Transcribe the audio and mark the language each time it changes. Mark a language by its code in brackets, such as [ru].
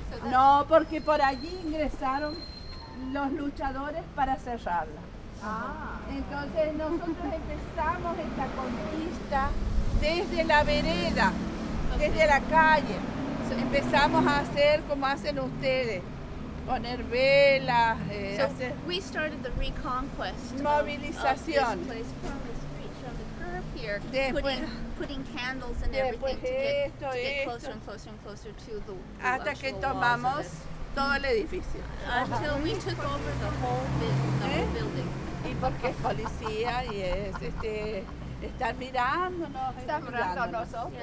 [es] No, porque por allí ingresaron los luchadores para cerrarla. Entonces nosotros empezamos esta conquista desde la vereda, desde la calle. Empezamos a hacer como hacen ustedes. Poner velas, hacer... [en] We started the reconquest. [es] Movilización. [en] Of this place from the street, from the curb here. Putting candles and everything to get closer and closer and closer to the [es] hasta que tomamos todo el edificio. [en] Until we took over the whole building. [es] Y porque es policía y es están mirándonos.